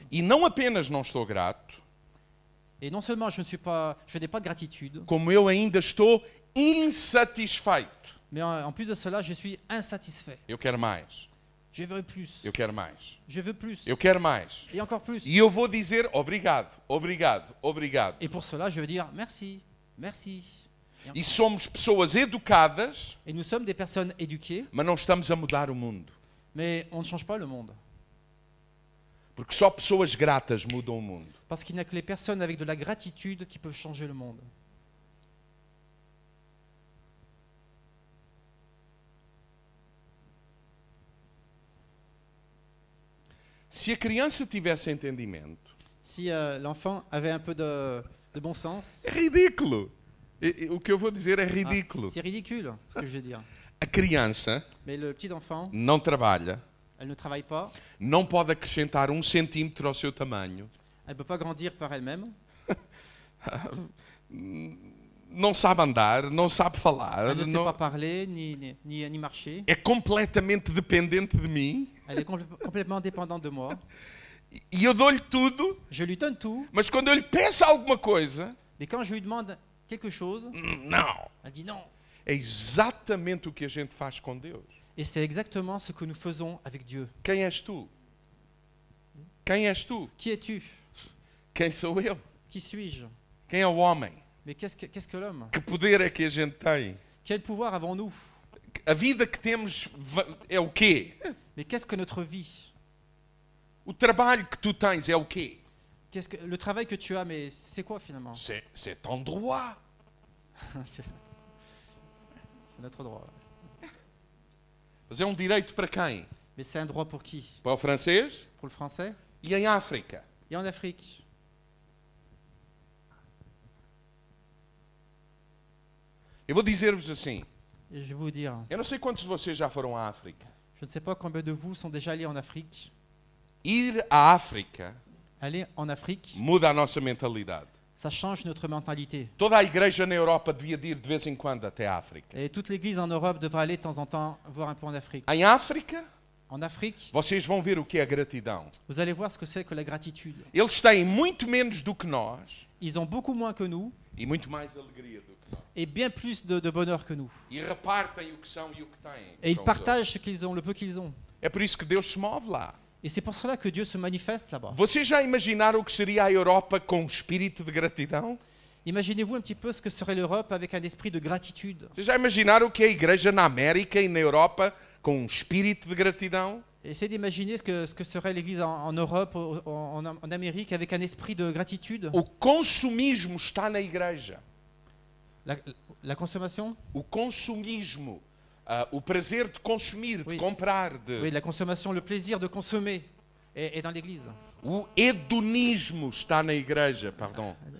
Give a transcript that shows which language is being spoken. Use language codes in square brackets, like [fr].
[pt] E não apenas não estou grato. [fr] Et non seulement je n'ai pas de gratitude. [pt] Como eu ainda estou insatisfeito. [fr] Mais en plus de cela, je suis insatisfait. [pt] Eu quero mais. [fr] Je veux plus. [pt] Eu quero mais. [fr] Je veux plus. [pt] Eu quero mais. [fr] Et encore plus. [pt] E eu vou dizer obrigado, obrigado, obrigado. [fr] Et pour cela, je veux dire merci, merci. [pt] E somos pessoas educadas. [fr] Et nous sommes des personnes éduquées. [pt] Mas não estamos a mudar o mundo. [fr] Mais on ne change pas le monde. [pt] Porque só pessoas gratas mudam o mundo. [fr] Parce qu'il n'y a que les personnes avec de la gratitude qui peuvent changer le monde. [pt] Se a criança tivesse entendimento. [fr] Si l'enfant avait un peu de bon sens. [pt] É ridículo. O que eu vou dizer é ridículo. [fr] C'est ridicule ce que je veux dire. [pt] A criança. [fr] Mais le petit enfant. [pt] Não trabalha. [fr] Elle ne travaille pas. [pt] Não pode acrescentar um centímetro ao seu tamanho. [fr] Elle ne peut pas grandir par elle-même. [pt] Não sabe andar, não sabe falar. [fr] Elle ne sait pas parler, ni marcher. [pt] É completamente dependente de mim. [fr] Elle est complètement dépendante de moi. [pt] E eu dou-lhe tudo. [fr] Je lui donne tout. [pt] Mas quando eu lhe peço alguma coisa. [fr] Mais quand je lui demande quelque chose. [pt] Não. [fr] Elle dit non. [pt] É exatamente o que a gente faz com Deus. [fr] Et c'est exactement ce que nous faisons avec Dieu. [pt] Quem és tu? Quem és tu? [fr] Qui es-tu? [pt] Quem sou eu? [fr] Qui suis-je? [pt] Quem é o homem? [fr] Mais qu'est-ce que l'homme? [pt] Que poder é que a gente tem? [fr] Quel pouvoir avons-nous? [pt] A vida que temos é o quê? [fr] Mais qu'est-ce que notre vie? [pt] O trabalho que tu tens é o quê? [fr] Qu'est-ce que le travail que tu as, mais c'est quoi finalement? C'est ton droit. C'est notre droit. [pt] Mas é um direito para quem? [fr] Mais c'est un droit pour qui? [pt] Para o francês? [fr] Pour le français? [pt] E em África? [fr] Et en Afrique? [pt] Eu vou dizer-vos assim. [fr] Et je vous dire. [pt] Eu não sei quantos de vocês já foram à África. [fr] Je ne sais pas combien de vous sont déjà allés en Afrique. [pt] Ir à África. [fr] Aller en Afrique. [pt] Muda a nossa mentalidade. [fr] Ça change notre mentalité. [pt] Toda a igreja na Europa devia ir de vez em quando até à África. [fr] Et toute l'église en Europe devrait aller de temps en temps voir un peu en Afrique. [pt] Em África. [fr] En Afrique. [pt] Vocês vão ver o que é a gratidão. [fr] Vous allez voir ce que c'est que la gratitude. [pt] Eles têm muito menos do que nós. [fr] Ils ont beaucoup moins que nous. [pt] E muito mais alegria do que nós. [fr] Et bien plus de bonheur que nous. [pt] E repartem o que são e o que têm. [fr] Et ils partagent ce qu'ils ont, le peu qu'ils ont. [pt] É por isso que Deus se move lá. [fr] Et c'est pour cela que Dieu se manifeste là-bas. [pt] Vocês já imaginaram o que seria a Europa com um espírito de gratidão? [fr] Imaginez-vous un petit peu ce que serait l'Europe avec un esprit de gratitude? [pt] Vocês já imaginaram o que é a igreja na América e na Europa com um espírito de gratidão? [fr] Essayez d'imaginer ce que serait l'Église en Europe, en Amérique, avec un esprit de gratitude. [pt] O consumismo está na igreja. [fr] La consommation? [pt] O consumismo, o prazer de consumir, oui. De comprar, de. [fr] Oui, la consommation, le plaisir de consommer est dans l'Église. [pt] O hedonismo está na igreja, pardon.